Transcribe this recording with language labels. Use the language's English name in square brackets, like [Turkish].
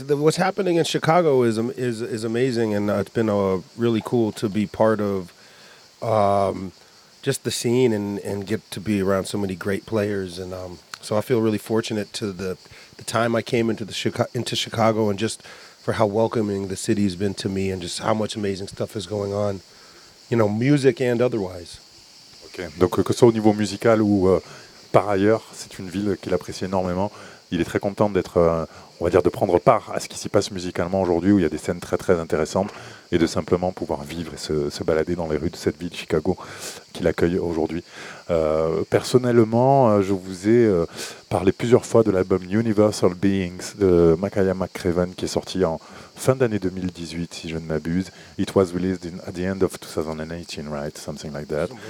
[English] What's happening in Chicago is amazing, and it's been really cool to be part of just the scene and get to be around so many great players, and so I feel really fortunate to the time I came into Chicago, and just for how welcoming the city has been to me, and just how much amazing stuff is going on, you know, music and otherwise. Okay. [French] Donc que ce soit au niveau musical ou par ailleurs, c'est une ville qu'il apprécie énormément. Il est très content d'être, on va dire, de prendre part à ce qui s'y passe musicalement aujourd'hui, où il y a des scènes très très intéressantes, et de simplement pouvoir vivre et se balader dans les rues de cette ville, Chicago, qu'il accueille aujourd'hui. Personnellement, je vous ai parlé plusieurs fois de l'album Universal Beings de Makaya McCraven, qui est sorti en fin d'année 2018, si je ne m'abuse. [English] It was released at the end of 2018, right? Something like that.